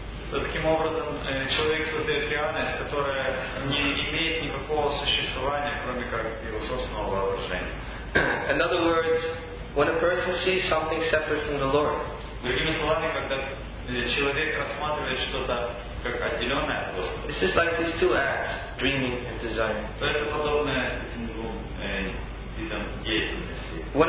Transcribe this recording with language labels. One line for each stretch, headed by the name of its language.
Russian: Таким образом, человек создает реальность, которая не имеет никакого существования, кроме как его собственного воображения.
English: In other words, when a person sees something separate from the Lord.
Russian: Другими словами, когда человек рассматривает что-то как отделенное от Господа.
English: This is like these two acts, dreaming and desiring.
Russian: То это подобно этим двум видам деятельности.